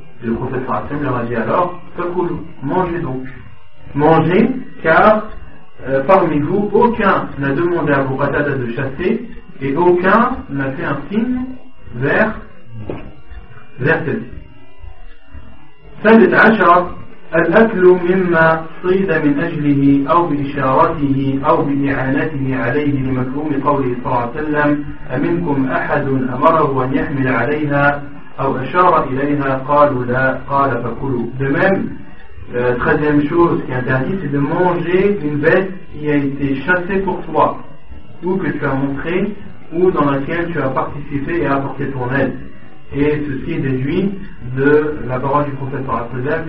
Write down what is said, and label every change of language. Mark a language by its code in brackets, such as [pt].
[fr] Et le prophète sallallahu alayhi wa sallam leur a dit alors: fakulu, mangez donc. Mangez, car parmi vous, aucun n'a demandé à Abu Qatada de chasser et aucun n'a fait un signe vers celle-ci. 13. [ar] الأكل مما صيد من أجله أو بإشارته أو بإعانته عليه لمفهوم قوله صلى الله عليه وسلم: أمنكم أحد أمره أن يحمل عليها أو أشار إليها؟ قالوا لا. قال فكلوا. دمام. [fr] Troisième chose qui est interdite, c'est de manger une bête qui a été chassée pour toi, ou que tu as montré, ou dans laquelle tu as participé et apporté ton aide. Et ceci est déduit de la parole du prophète par la sallam.